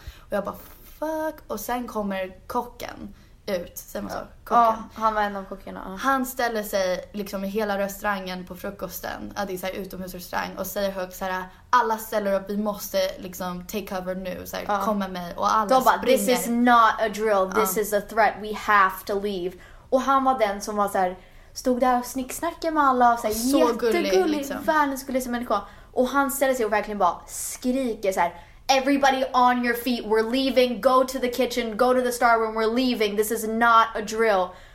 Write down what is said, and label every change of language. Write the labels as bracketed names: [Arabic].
[Swedish] Och jag bara, fuck. Och sen kommer kocken ut. Sen var han var en av kockarna. Han ställer sig liksom i hela restaurangen på frukosten, att det är så här utomhusrestaurang, och säger högt så här, alla ställer upp, vi måste liksom [English] take cover [Swedish] nu, så här, komma med. Och alla de springer. [English] This is not a drill, this is a threat, we have to leave. [Swedish] Och han var den som var så här, stod där och snicksnackade med alla och såhär, så jättegullig, gullig, liksom. Världens gulligaste människa. Och han ställer sig och verkligen bara skriker såhär, [English] everybody on your feet, we're leaving, go to the kitchen, go to the star room, we're leaving, this is not a drill.